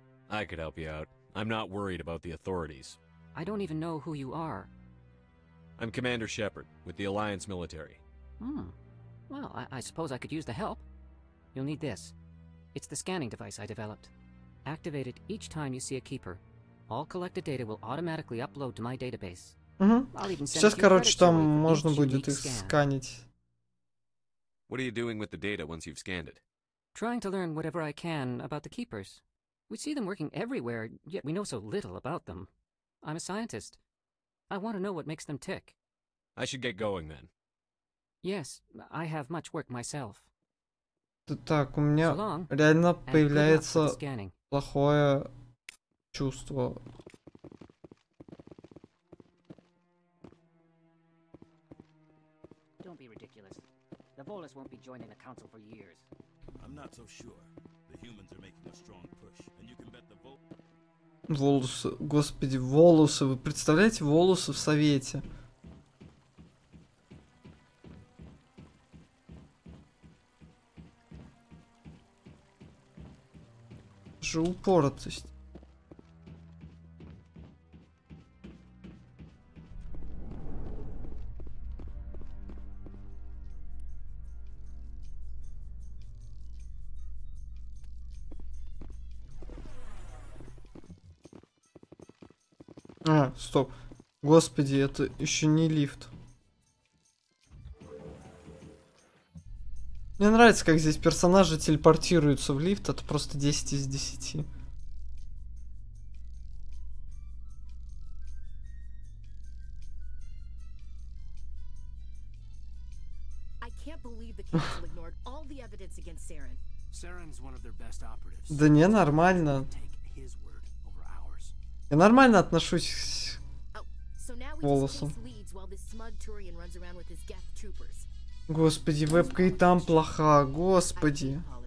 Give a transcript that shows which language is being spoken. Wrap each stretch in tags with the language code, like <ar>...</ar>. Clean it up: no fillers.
<en>I could help you out. I'm not worried about the authorities. I don't even know who you are. I'm Commander Shepard, with the Alliance military. Well, I suppose I could use the help. You'll need this. It's the scanning device I developed. Activate it each time you see a keeper. All collected data will automatically upload to my database.</en> <ru>Сейчас, короче, там можно будет их сканить.</ru> <en>What are you doing with the data once you've scanned it? Trying to learn whatever I can about the keepers. We see them working everywhere, yet we know so little about them. I'm a scientist. I want to know what makes them tick. I should get going then. Yes, I have much work myself.</en> <ru>Так, у меня реально появляется плохое чувство.</ru> <en>Don't be ridiculous. The Volus won't be joining the council for years. I'm not so sure. The humans are making a strong push, and you can bet the</en> <ru>Волосы, господи, волосы, вы представляете, волосы в совете. Же упоротость. А, стоп. Господи, это еще не лифт. Мне нравится, как здесь персонажи телепортируются в лифт. Это просто 10 из 10.</ru> <en>I can't believe the council ignored all the evidence against Saren. Saren's one of their best operatives.</en> <ru>Да не, нормально. Я нормально отношусь к волосам. Господи, вебка и там плоха, господи.</ru>